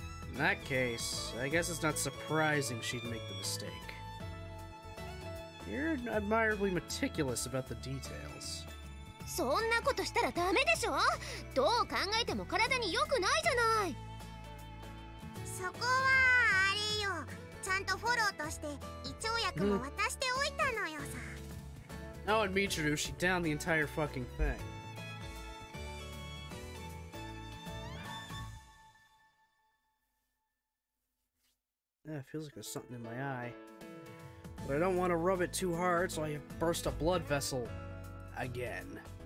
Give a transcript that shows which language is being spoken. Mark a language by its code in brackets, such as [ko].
[en] In that case, I guess it's not surprising she'd make the mistake. You're admirably meticulous about the details. [ja] そんなことしたらダメでしょ?どう考えても体に良くないじゃない! そこは、あれよ。ちゃんとフォローとして胃腸薬も渡しておいたのよさ。 [en] Oh, and Michiru, she downed the entire fucking thing. Yeah, it feels like there's something in my eye. But I don't want to rub it too hard, so I burst a blood vessel again.